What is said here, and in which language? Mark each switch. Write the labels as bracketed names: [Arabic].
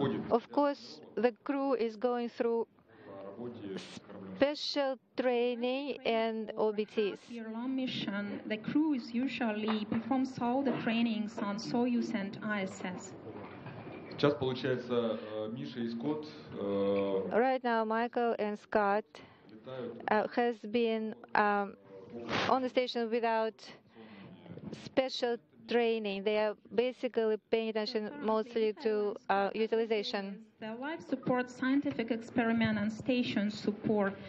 [English] Of course, the crew is going through special training and OBTs. Year-long mission, the crew is usually performs all the trainings on Soyuz and ISS. [Russian] Сейчас получается Миша и Скотт. [English] Right now, Michael and Scott has been on the station without special training. They are basically paying attention mostly to utilization. Their life support, scientific experiment, and station support.